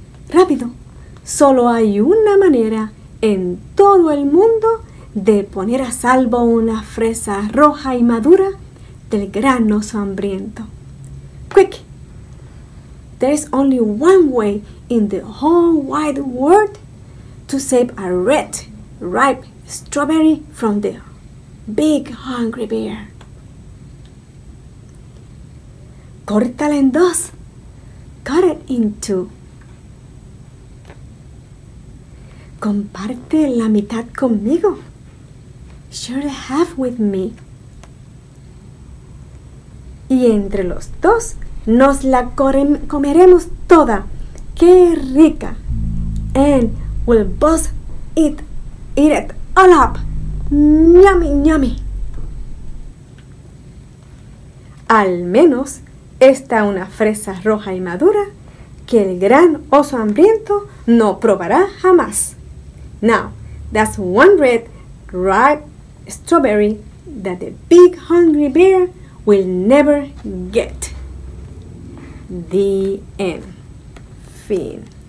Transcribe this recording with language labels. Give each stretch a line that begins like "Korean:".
Spanish: Rápido, solo hay una manera en todo el mundo de poner a salvo una fresa roja y madura del gran oso hambriento.
English: Quick! There's only one way in the whole wide world to save a red, ripe strawberry from the big hungry bear.
Spanish: Córtala en dos.
English: Cut it in two.
Spanish: Comparte la mitad conmigo.
English: Share the half with me.
Spanish: Y entre los dos nos la comeremos toda. ¡Qué rica!
English: And we'll both eat it all up. ¡Yummy, yummy!
Spanish: Al menos está una fresa roja y madura que el gran oso hambriento no probará jamás.
English: Now, that's one red, ripe strawberry that the big hungry bear will never get. The end. Fin.